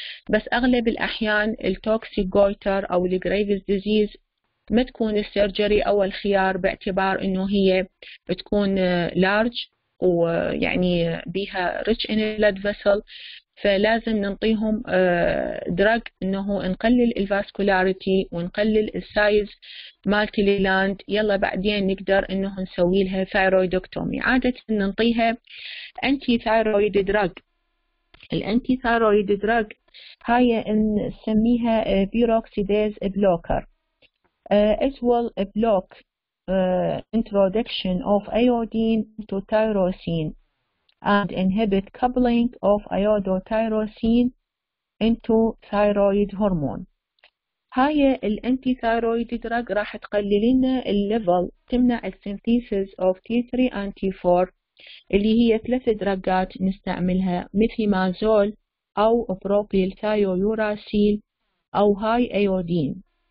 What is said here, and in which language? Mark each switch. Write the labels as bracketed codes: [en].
[ar] بس أغلب الأحيان التوكسيك جويتر أو الجريفز ديزيز ما تكون السيرجري أول خيار باعتبار إنه هي بتكون لارج ويعني بيها [en] rich in blood vessel, [ar] فلازم ننطيهم دراج إنه نقلل الفاسكولاريتي ونقلل السايز مالتيليلاند, يلا بعدين نقدر إنه نسوي لها ثايرويدكتومي. عادة ننطيها أنتي ثايرويد دراج. الأنتي ثايرويد دراج هاي نسميها بيروكسيديز بلوكر. [en] It will block introduction of iodine to tyrosine and inhibit coupling of iodotyrosine into thyroid hormone. [ar] هاي الانتيثايرويد دراج راح تقلل لنا الليفل, تمنع السينثيسيس اوف T3 and T4 اللي هي ثلاث دراجات نستعملها ميثيمازول او بروبيل ثايويوراسيل او هاي ايودين.